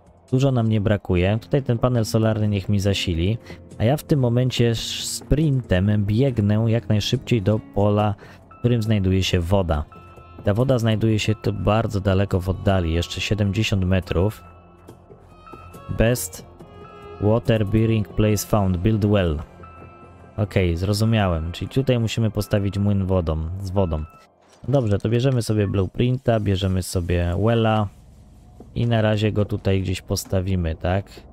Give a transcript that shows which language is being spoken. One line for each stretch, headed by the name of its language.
Polish: Dużo nam nie brakuje. Tutaj ten panel solarny niech mi zasili. A ja w tym momencie sprintem biegnę jak najszybciej do pola, w którym znajduje się woda. Ta woda znajduje się tu bardzo daleko w oddali, jeszcze 70 metrów.
English: Best water bearing place found. Build well.
Polish: Okej, zrozumiałem. Czyli tutaj musimy postawić młyn wodą, z wodą. Dobrze, to bierzemy sobie blueprinta, bierzemy sobie wella. I na razie go tutaj gdzieś postawimy, tak?